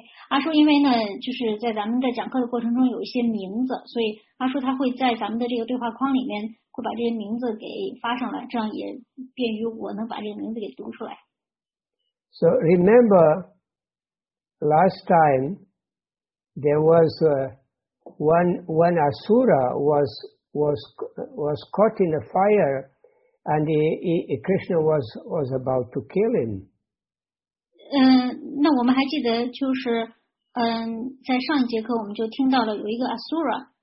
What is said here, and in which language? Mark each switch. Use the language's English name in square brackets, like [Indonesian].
[Chinese] 阿叔，因为呢，就是在咱们的讲课的过程中有一些名字，所以阿叔他会在咱们的这个对话框里面。会把这些名字给发上来，这样也便于我能把这个名字给读出来。 [English] So remember, last time there was one asura was caught in a fire, and Krishna was about to kill him. [Chinese] 那我们还记得就是在上一节课我们就听到了有一个 asura。